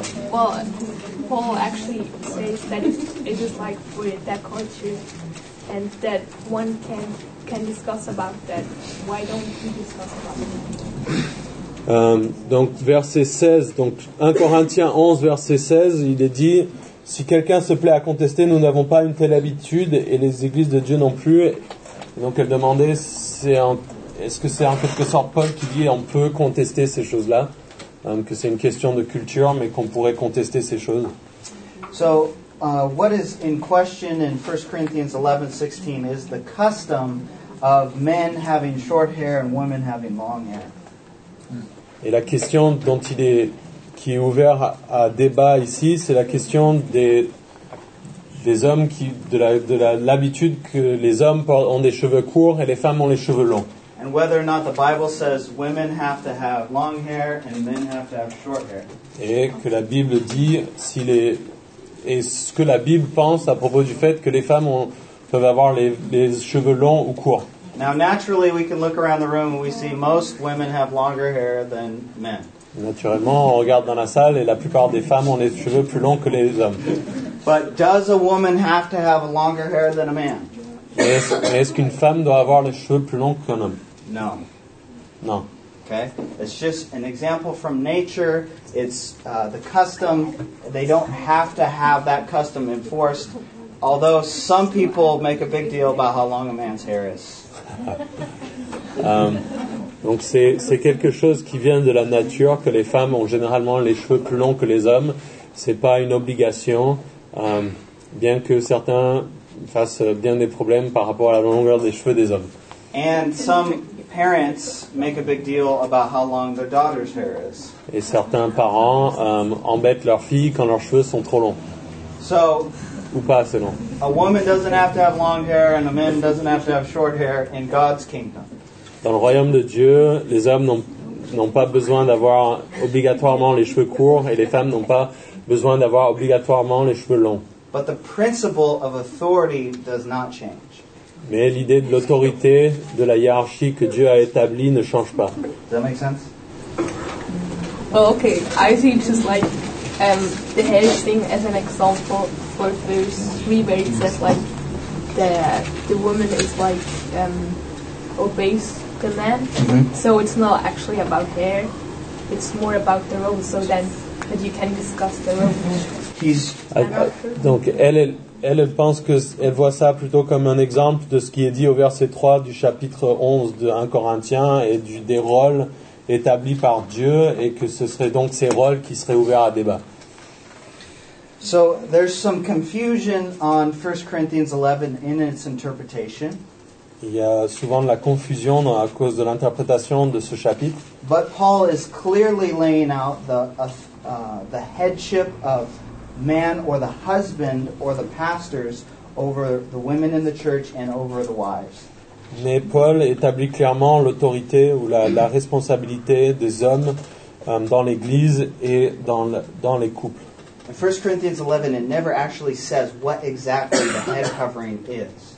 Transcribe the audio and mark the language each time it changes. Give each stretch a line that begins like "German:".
English: Well, Paul actually says that it is like for that culture, and that one can discuss about that. Why don't we discuss about that?
French: Donc verset 16, donc 1 Corinthiens 11 verset 16, il est dit: si quelqu'un se plaît à contester, nous n'avons pas une telle habitude et les églises de Dieu non plus. Et donc elle demandait, est-ce que c'est en quelque sorte Paul qui dit on peut contester ces choses-là, que c'est une question de culture, mais qu'on pourrait contester ces choses.
English: So what is in question in 1 Corinthians 11:16 is the custom of men having short hair and women having long hair.
French: Et la question dont il est qui est ouvert à débat ici, c'est la question des hommes qui de l'habitude que les hommes ont des cheveux courts et les femmes ont les cheveux longs.
English: And whether or not the Bible says women have to have long hair and men have to have short hair.
French: Et que la Bible dit s'il est et ce que la Bible pense à propos du fait que les femmes ont, peuvent avoir les cheveux longs ou courts.
English: Now naturally we can look around the room and we see most women have longer hair than men.
French: Naturellement, on regarde dans la salle et la plupart des femmes ont les cheveux plus longs que les hommes.
English: But does a woman have to have longer hair than a man?
French: Est-ce qu'une femme doit avoir les cheveux plus longs qu'un homme?
English: No.
French: Non.
English: Okay. It's just an example from nature. It's the custom. They don't have to have that custom enforced. Although some people make a big deal about how long a man's hair is.
French: Donc c'est quelque chose qui vient de la nature que les femmes ont généralement les cheveux plus longs que les hommes. C'est pas une obligation, bien que certains fassent bien des problèmes par rapport à la longueur des cheveux des hommes.
English: And some parents make a big deal about how long their daughter's hair is.
French: Et certains parents embêtent leurs filles quand leurs cheveux sont trop longs.
English: So,
French: ou pas assez longs.
English: A woman doesn't have to have long hair and a man doesn't have to have short hair in God's kingdom.
French: Dans le royaume de Dieu, les hommes n'ont pas besoin d'avoir obligatoirement les cheveux courts et les femmes n'ont pas besoin d'avoir obligatoirement les cheveux longs.
English: But the principle of authority does not change.
French: Mais l'idée de l'autorité, de la hiérarchie que Dieu a établie ne change pas.
English: Does that make sense? Well, okay, I see just like the hair thing as an example for those three where it says like the woman is like obeys the man. Mm-hmm. So it's not actually about hair, it's more about the role, so then that you can discuss the role. Mm-hmm.
French: Donc elle pense que elle voit ça plutôt comme un exemple de ce qui est dit au verset 3 du chapitre 11 de 1 Corinthiens et des rôles établis par Dieu et que ce serait donc ces rôles qui seraient ouverts à débat.
English: So there's some confusion on 1 Corinthians 11 in its interpretation.
French: Il y a souvent de la confusion à cause de l'interprétation de ce chapitre.
English: But Paul is clearly laying out the headship of man or the husband or the pastors over the women in the church and over the wives.
French: Mais Paul établit clairement l'autorité ou la responsabilité des hommes dans l'église et dans les couples.
English: In 1 Corinthians 11, it never actually says what exactly the head covering is.